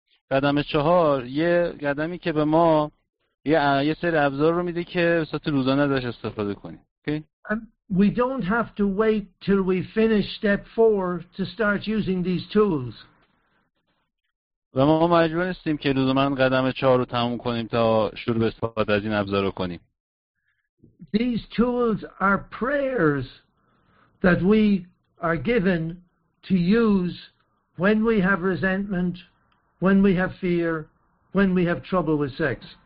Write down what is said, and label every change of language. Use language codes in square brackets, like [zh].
[fa] قدم 4 یه قدمی که به ما یه سری ابزار رو میده که وسط روزانه ازش استفاده کنیم. [en] Okay? We don't have to wait till we finish step 4 to start using these tools. [fa] و ما مجبور نیستیم که لزوماً قدم 4 رو تموم کنیم تا شروع به استفاده از این ابزار رو کنیم. [en] These tools are prayers that we are given to use when we have resentment, when we have fear, when we have trouble with sex.